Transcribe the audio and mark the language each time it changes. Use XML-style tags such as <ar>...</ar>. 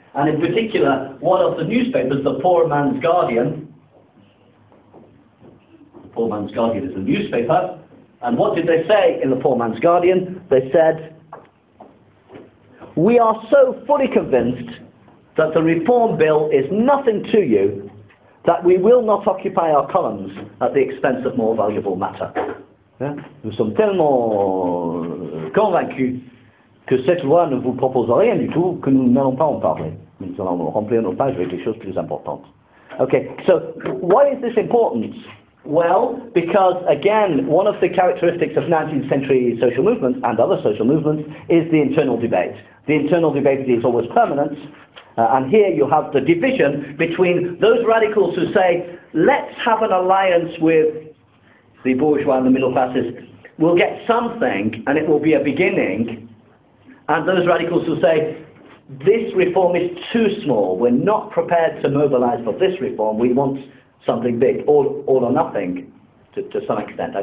<en>And in particular, one of the newspapers, the Poor Man's Guardian, is a newspaper, and what did they say in the Poor Man's Guardian? They said, we are so fully convinced that the Reform Bill is nothing to you that we will not occupy our columns at the expense of more valuable matter.</en> <fr>Nous sommes tellement convaincus que cette loi ne vous propose rien du tout que nous n'allons pas en parler. Nous allons remplir nos pages avec des choses plus importantes.</fr> <en>Okay, so why is this important? Well, because, again, one of the characteristics of 19th century social movements and other social movements is the internal debate. The internal debate is always permanent, and here you have the division between those radicals who say, let's have an alliance with the bourgeois and the middle classes, we'll get something, and it will be a beginning, and those radicals who say, this reform is too small, we're not prepared to mobilize for this reform, we want something big, all or nothing, to some extent.</en>